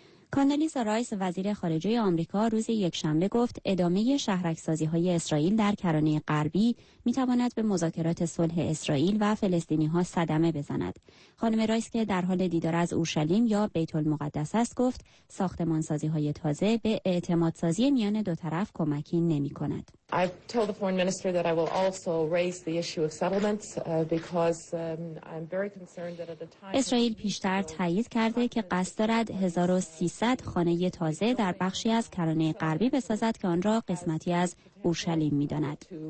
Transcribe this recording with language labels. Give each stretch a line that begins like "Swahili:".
Persian: کاندالیزا رایس وزیر خارجه آمریکا روز یکشنبه گفت ادامه شهرک‌سازی‌های اسرائیل در کرانه غربی می‌تواند به مذاکرات صلح اسرائیل و فلسطینی‌ها صدمه بزند. خانم رایس که در حال دیدار از اورشلیم یا بیت المقدس است گفت ساختمان‌سازی‌های تازه به اعتمادسازی میان دو طرف کمکی نمی‌کند.
English: I've told the foreign minister that I will also raise the issue of settlements because I'm very concerned that at the time
Persian: اسرائیل پیشتر تایید کرده که قصد دارد 1300 خانه تازه در بخشی از کرانه غربی بسازد که آن را قسمتی از اورشلیم می‌داند.